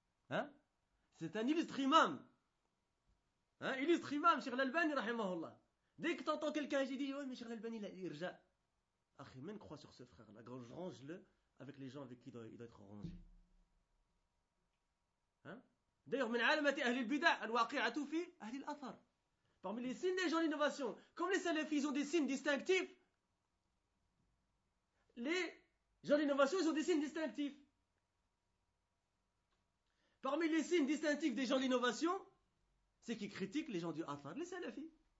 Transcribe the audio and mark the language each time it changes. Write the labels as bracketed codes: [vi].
[fr] Hein? C'est un illustre imam. Hein? Illustre imam, Cheikh l'Albani, rahimahullah. Dès que tu entends quelqu'un, j'ai dit, oui, mais Cheikh l'Albani, il a irja. Achimène croit sur ce frère-là. Range-le avec les gens avec qui il doit être rangé. Hein? [ar] D'ailleurs, من علامة أهل البدع الواقعة في أهل الأثر. [fr] Parmi les signes des gens d'innovation, comme les salafis, ils ont des signes distinctifs. Les gens d'innovation, ils ont des signes distinctifs. Parmi les signes distinctifs des gens d'innovation, c'est qu'ils critiquent les gens du Athar, les salafis.